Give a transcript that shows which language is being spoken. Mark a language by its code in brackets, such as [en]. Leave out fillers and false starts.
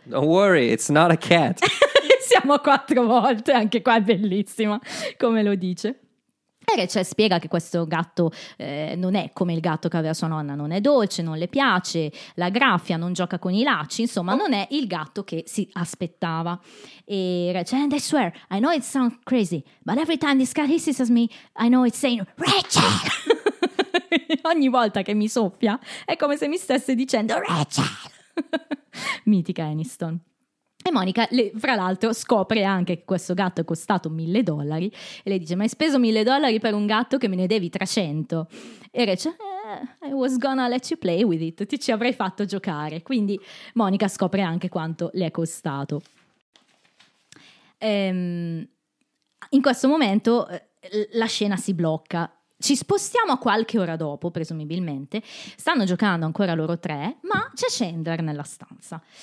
[en] Don't worry, it's not a cat. [it] Siamo a 4 volte, anche qua è bellissima come lo dice. E Rachel spiega che questo gatto non è come il gatto che aveva sua nonna, non è dolce, non le piace, la graffia, non gioca con i lacci, insomma non è il gatto che si aspettava. [en] E Rachel: and I swear, I know it sounds crazy, but every time this cat hisses at me, I know it's saying, Rachel! [it] Ogni volta che mi soffia è come se mi stesse dicendo, Rachel! Mitica Aniston. E Monica, fra l'altro, scopre anche che questo gatto è costato $1,000 e le dice: ma hai speso $1,000 per un gatto, che me ne devi 300? [en] E Rachel: I was gonna let you play with it, [it] ti ci avrei fatto giocare. Quindi Monica scopre anche quanto le è costato. In questo momento la scena si blocca. Ci spostiamo a qualche ora dopo, presumibilmente. Stanno giocando ancora loro tre, ma c'è Chandler nella stanza.